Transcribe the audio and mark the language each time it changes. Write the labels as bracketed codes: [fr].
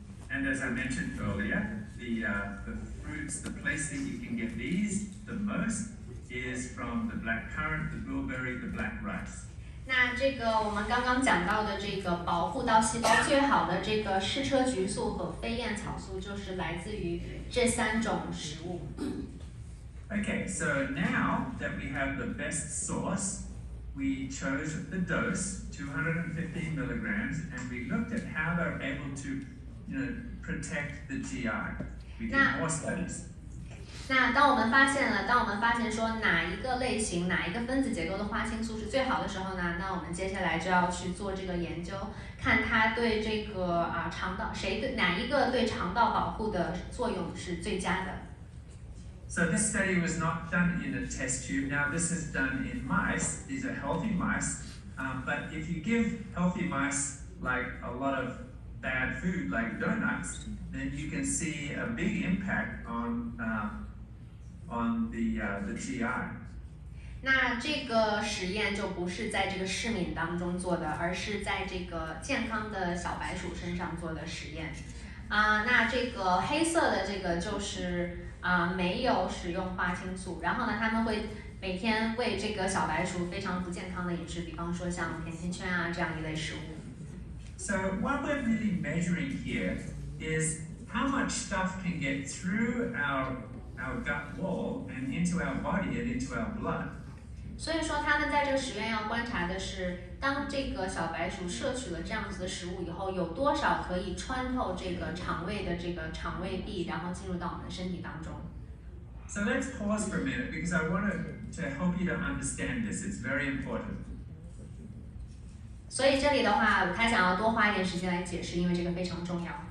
[en] And as I mentioned earlier, the fruits, the place that you can get these the most is from the black currant, the blueberry, the black rice. [zh] 那这个我们刚刚讲到的这个保护到细胞最好的这个矢车菊素和飞燕草素，就是来自于这三种食物。 [en] Okay, so now that we have the best source, we chose the dose, 215 milligrams, and we looked at how they're able to. Protect the GI. We did more studies. [zh] 那当我们发现了，当我们发现说哪一个类型、哪一个分子结构的花青素是最好的时候呢？那我们接下来就要去做这个研究，看它对这个肠道谁对哪一个对肠道保护的作用是最佳的。 [en] So this study was not done in a test tube. Now this is done in mice. These are healthy mice. But if you give healthy mice like a lot of bad food like donuts, then you can see a big impact on the GI. [zh] 那这个实验就不是在这个市民当中做的，而是在这个健康的小白鼠身上做的实验。那这个黑色的这个就是没有使用花青素，然后呢，他们会每天喂这个小白鼠非常不健康的饮食，比方说像甜甜圈啊这样一类食物。 [en] So what we're really measuring here is how much stuff can get through our gut wall and into our body and into our blood. [zh] 所以说他们在这个实验要观察的是，当这个小白鼠摄取了这样子的食物以后，有多少可以穿透这个肠胃的这个肠胃壁，然后进入到我们的身体当中。 [en] So let's pause for a minute because I want to help you to understand this. It's very important. [zh] 所以这里的话，他想要多花一点时间来解释，因为这个非常重要。